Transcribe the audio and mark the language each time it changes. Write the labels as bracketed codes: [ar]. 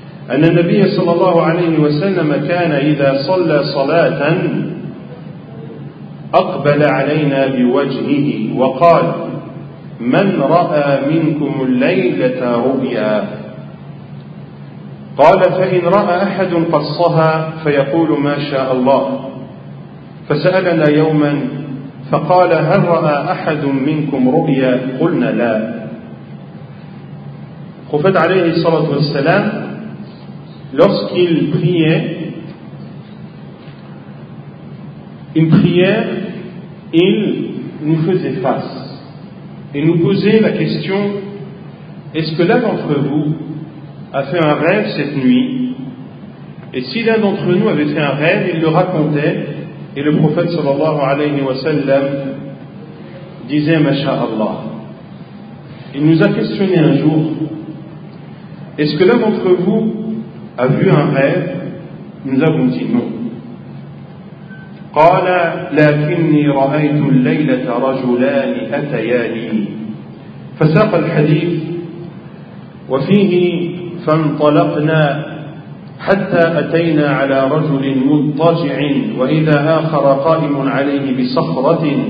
[ar] أن النبي صلى الله عليه وسلم كان إذا صلى صلاة أقبل علينا بوجهه وقال من رأى منكم الليلة رؤيا قال فإن رأى أحد قصها فيقول ما شاء الله فسألنا يوما فقال هل رأى أحد منكم رؤيا قلنا لا قفت عليه الصلاة والسلام [fr] lorsqu'il priait une prière, il nous faisait face et nous posait la question: est-ce que l'un d'entre vous a fait un rêve cette nuit? Et si l'un d'entre nous avait fait un rêve, il le racontait, et le prophète sallallahu alayhi wa sallam disait Masha'Allah. Il nous a questionné un jour: est-ce que l'un d'entre vous a vu un rêve? Nous avons dit non. [ar] قال لكني رأيت الليلة رجلان أتياني فساق الحديث وفيه فانطلقنا حتى أتينا على رجل مضطجع وإذا آخر قائم عليه بصخرة